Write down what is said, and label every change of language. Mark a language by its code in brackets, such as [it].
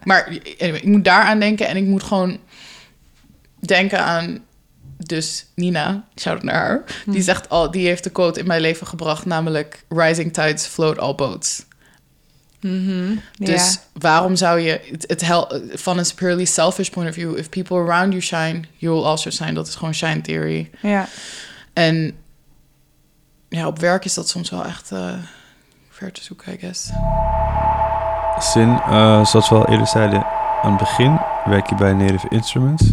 [nl] Maar anyway, ik moet daaraan denken en ik moet gewoon denken aan... Dus Nina, shout-out naar haar. Die zegt al, die heeft de quote in mijn leven gebracht, namelijk... [en] Rising tides float all boats. [nl] Mm-hmm. Dus yeah. Waarom zou je... Het helpt van een [en] purely selfish point of view. If people around you shine, you will also shine. [nl] Dat is gewoon shine theory. Ja. En ja, op werk is dat soms wel echt ver te zoeken, [en] I guess. [nl] Sin, zoals we al eerder zeiden, aan het begin werk je bij Native Instruments.